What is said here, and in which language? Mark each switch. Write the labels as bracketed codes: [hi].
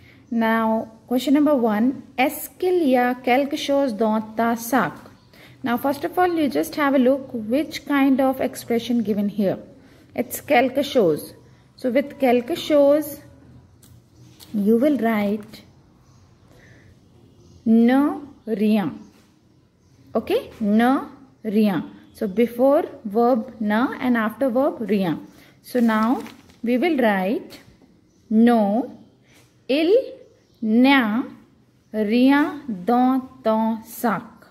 [en] Now, question number 1, [fr] est-ce qu'il y a quelque chose dans ta sac? [en] Now, first of all, you just have a look which kind of expression given here. It's quelque chose. So, with quelque chose, you will write, ne rien. Okay? [fr] Ne rien. [en] So, before verb ne and after verb rien. So, now, we will write, no, [fr] il n'a rien dans ton sac.